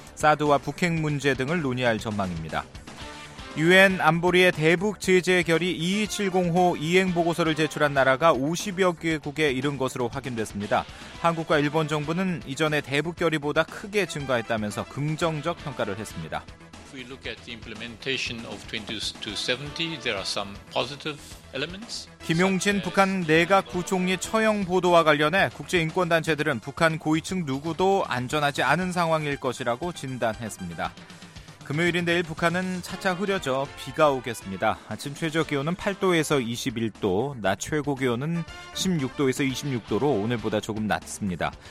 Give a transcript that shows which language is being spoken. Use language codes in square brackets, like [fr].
[ko] 사드와 북핵 문제 등을 논의할 전망입니다. 유엔 안보리의 대북 제재 결의 2270호 이행 보고서를 제출한 나라가 50여 개국에 이른 것으로 확인됐습니다. 한국과 일본 정부는 이전의 대북 결의보다 크게 증가했다면서 긍정적 평가를 했습니다. [en] If we look at the implementation of 2270, there are some positive elements. [ko] 김용진 북한 내각 부총리 처형 보도와 관련해 국제인권단체들은 북한 고위층 누구도 안전하지 않은 상황일 것이라고 진단했습니다. 금요일인 내일 북한은 차차 흐려져 비가 오겠습니다. 아침 최저 기온은 8도에서 21도, 낮 최고 기온은 16도에서 26도로 오늘보다 조금 낮습니다.